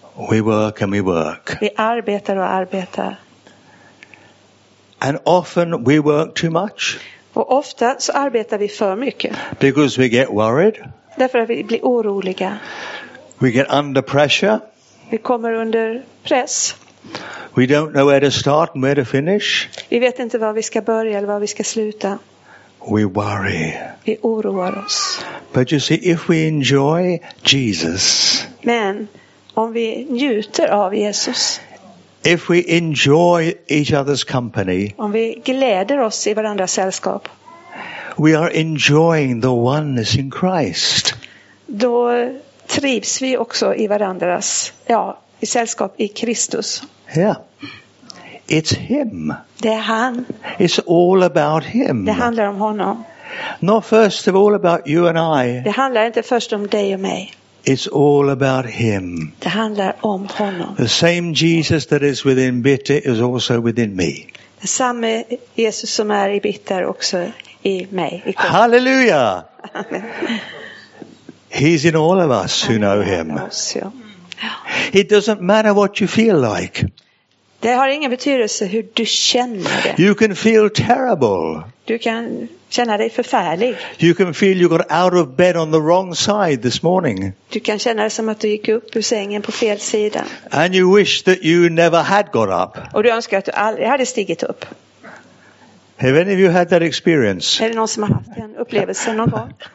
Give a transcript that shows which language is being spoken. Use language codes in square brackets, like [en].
[en] We work and we work. [sv] Vi arbetar och arbetar. [en] And often we work too much. [sv] Och ofta så arbetar vi för mycket. [en] Because we get worried. [sv] Därför att vi blir oroliga. [en] We get under pressure. [sv] Vi kommer under press. [en] We don't know where to start and where to finish. [sv] Vi vet inte var vi ska börja eller var vi ska sluta. [en] We worry. [sv] Vi oroar oss. [en] But you see, if we enjoy Jesus. [sv] Men om vi njuter av Jesus. [en] If we enjoy each other's company. [sv] Om vi gläder oss i varandras sällskap. [en] We are enjoying the oneness in Christ. [sv] Då trivs vi också i varandras, ja, i sällskap i Kristus. [en] Ja. Yeah. It's him. [sv] Det är han. [en] It's all about him. [sv] Det handlar om honom. [en] Not first of all about you and I. [sv] Det handlar inte först om dig och mig. [en] It's all about him. [sv] Det handlar om honom. [en] The same Jesus that is within bitter is also within me. [sv] Det samma Jesus som är i bitter också i mig. [en] Hallelujah. He's in all of us who know him. It doesn't matter what you feel like. [sv] Det har ingen betydelse hur du känner det. [en] You can feel terrible. [sv] Du kan känna dig förfärlig. [en] You can feel you got out of bed on the wrong side this morning. [sv] Du kan känna dig som att du gick upp ur sängen på fel sida. [en] And you wish that you never had got up. [sv] Och du önskar att du aldrig hade stigit upp. [en] Have any of you had that experience? [sv] Är det någon som har haft en upplevelse någon gång?